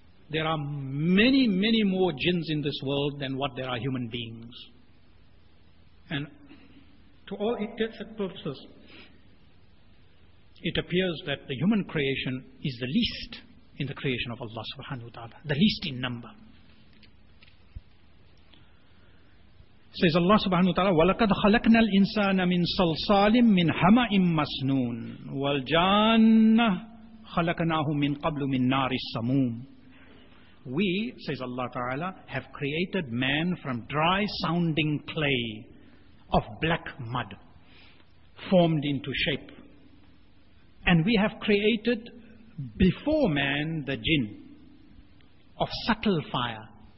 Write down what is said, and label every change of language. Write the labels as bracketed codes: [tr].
[en] There are many, many more jinns in this world than what there are human beings. And to all intents and purposes, it appears that the human creation is the least in the creation of Allah subhanahu wa ta'ala, the least in number. Says Allah subhanahu wa ta'ala, [ar] وَلَقَدْ خَلَقْنَا الْإِنسَانَ مِنْ صَلْصَالٍ مِنْ حَمَإٍ مَسْنُونَ وَالْجَانَّ خَلَقْنَاهُ مِنْ قَبْلُ مِنْ نَارِ السَّمُومِ. [en] We, says Allah Ta'ala, have created man from dry sounding clay of black mud, formed into shape. And we have created before man the jinn of subtle fire.